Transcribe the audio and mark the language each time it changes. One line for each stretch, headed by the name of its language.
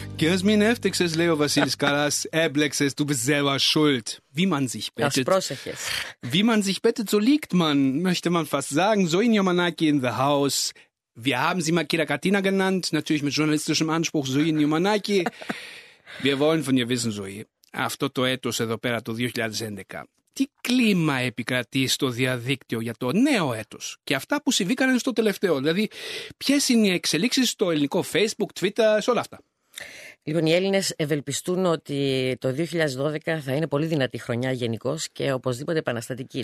Greek: Γιασμίν, έφτιαξες, λέει ο Βασίλης Καλάς. Έμπλεξες,
German: du bist selber schuld. Wie man sich bettet. Das
Greek: πρόσεχες.
German: Wie man sich bettet, so liegt man, möchte man fast sagen.
English: So in Yomanaki in the house.
German: Wir haben sie mal Kira Katina genannt, natürlich mit journalistischem Anspruch, Zoe Niumanaki. Wir wollen von ihr wissen, Zoe,
Greek: αυτό το έτος εδώ πέρα το 2011, τι κλίμα επικρατεί στο διαδίκτυο για το νέο έτος και αυτά που συμβήκανε στο τελευταίο, δηλαδή ποιες είναι οι εξελίξεις στο ελληνικό Facebook, Twitter, σε όλα αυτά. Λοιπόν, οι Έλληνες ευελπιστούν ότι το 2012 θα είναι πολύ δυνατή χρονιά γενικώς και οπωσδήποτε επαναστατική.